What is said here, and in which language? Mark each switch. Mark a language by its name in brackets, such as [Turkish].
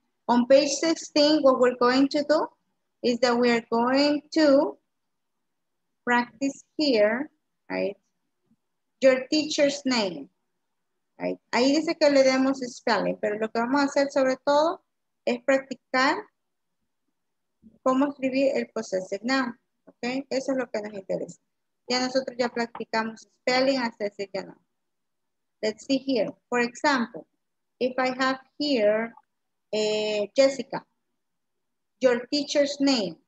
[English] On page 16, what we're going to do is that we are going to practice here, right? Your teacher's name. Right? [Spanish] Ahí dice que le demos spelling, pero lo que vamos a hacer sobre todo es practicar cómo escribir el possessive noun. Okay? Eso es lo que nos interesa. Ya nosotros ya practicamos spelling, hasta decir que no. [English] Let's see here. For example, if I have here Jessica, your teacher's name.